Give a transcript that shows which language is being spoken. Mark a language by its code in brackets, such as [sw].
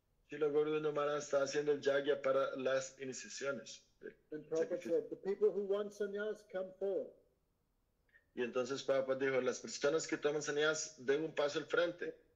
[es] Srila Gauri Maharaj estaba haciendo el yagya para las iniciaciones. [en] And Prabhupada said, the people who want sannyas come forward. [es] Y entonces Prabhupada dijo, las personas que toman sannyas den un paso al frente.